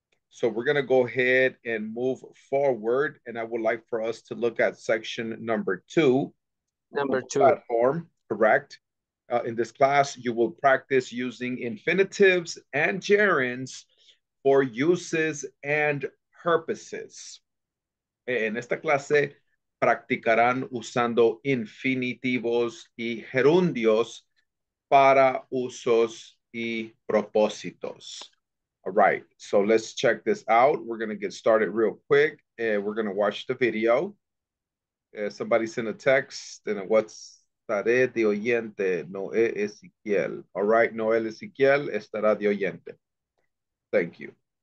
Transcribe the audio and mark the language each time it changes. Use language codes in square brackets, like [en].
[en] So we're going to go ahead and move forward. And I would like for us to look at section number 2. Number 2. Platform, correct. In this class, you will practice using infinitives and gerunds for uses and purposes. [es] En esta clase practicarán usando infinitivos y gerundios para usos y propósitos. [en] All right, so let's check this out. We're going to get started real quick, and we're going to watch the video. Somebody sent a text, and what's [es] estaré de oyente? [en] Noé Ezequiel. All right, Noé Ezequiel [es] estará de oyente. [en] Thank you.